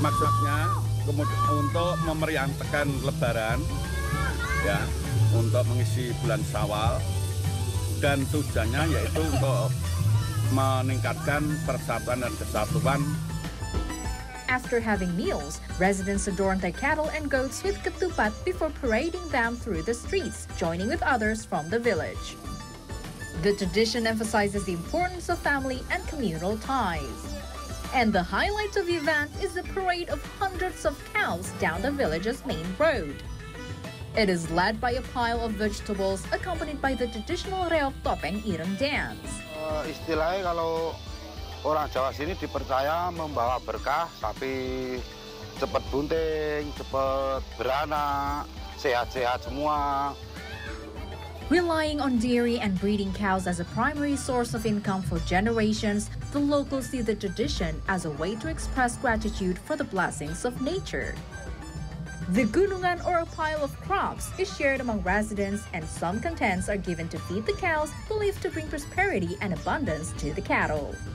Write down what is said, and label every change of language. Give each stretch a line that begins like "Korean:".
Indonesian: Maksudnya untuk memeriahkan Lebaran, ya, untuk mengisi bulan Sawal, dan tujuannya yaitu untuk meningkatkan persatuan dan kesatuan.
English: After having meals, residents adorn their cattle and goats with ketupat before parading them through the streets, joining with others from the village. The tradition emphasizes the importance of family and communal ties. And the highlight of the event is the parade of hundreds of cows down the village's main road. It is led by a pile of vegetables accompanied by the traditional reog topeng ireng dance.
Indonesian: Istilahnya kalau orang Jawa sini dipercaya membawa berkah, tapi cepat bunting, cepat beranak, sehat-sehat semua.
English: Relying on dairy and breeding cows as a primary source of income for generations, the locals see the tradition as a way to express gratitude for the blessings of nature. The gunungan, or a pile of crops, is shared among residents, and some contents are given to feed the cows, believed to bring prosperity and abundance to the cattle.